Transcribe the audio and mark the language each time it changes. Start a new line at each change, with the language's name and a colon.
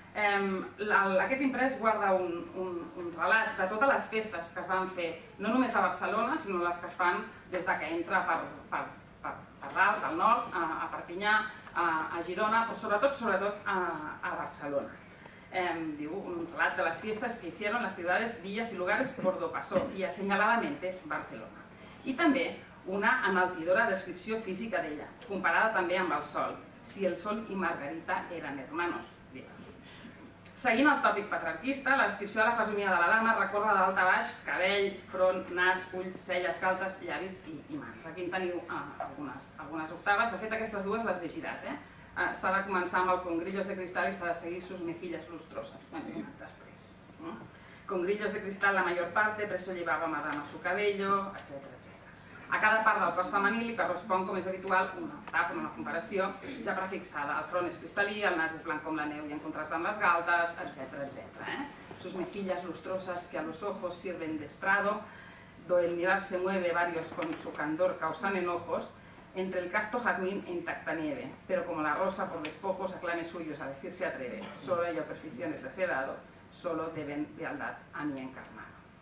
Catalan: Aquest imprès guarda un relat de totes les festes que es van fer, no només a Barcelona, sinó les que es fan des que entra per dalt, del nord, a Perpinyà, a Girona, però sobretot a Barcelona. Diu un relat de les festes que
Spanish: hicieron las ciudades, villas y lugares por do pasó, y assenyaladamente Barcelona.
Catalan: I també una enaltidora descripció física d'ella, comparada també amb el sol. Si el sol i Margarita eren hermanos, diu. Seguint el tòpic patriarquista, la descripció de la fesomia de la dama recorda d'alt a baix cabell, front, nas, ulls, celles, galtes, llavis i mans. Aquí en teniu algunes octaves. De fet, aquestes dues les he girat. S'ha de començar amb el
Spanish: con grillos de cristal
Catalan: i s'ha de seguir
Spanish: sus mejillas lustrosas.
Catalan: Després.
Spanish: Con grillos de cristal la mayor parte, preso llevaba madama su cabello, etc.
Catalan: A cada part del cos femení li correspon, com és habitual, una metàfora, una comparació, ja prefixada. El front és cristal·lí, el nas és blanc com la neu i en contrast amb les galtes, etc.
Spanish: Sus mejillas lustrosas que a los ojos sirven de estrado, do el mirar se mueve varios con su candor causan enojos, entre el casto jazmín e intacta nieve, pero como la rosa por despojos aclame suyos a decir se atreve, solo ello perficiones les he dado, solo deben lealdad a mi encarnado.